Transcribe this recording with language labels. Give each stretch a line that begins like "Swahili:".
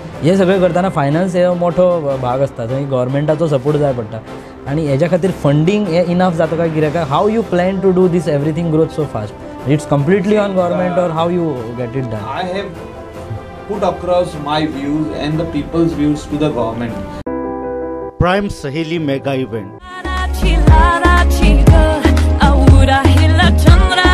Goan Konkani: हे सगळे करताना फायनान्स हो मोठो भाग असता, थंय गव्हर्मेंटाचो सपोर्ट जाय पडटा आणि हेज्या खातीर फंडींग हे इनफ जाता काय कित्याक काय.
English: How you plan to do this everything growth so fast? It's completely on government or how you get it done? I have put across my views and the people's views to the government. Prime Saheli mega event.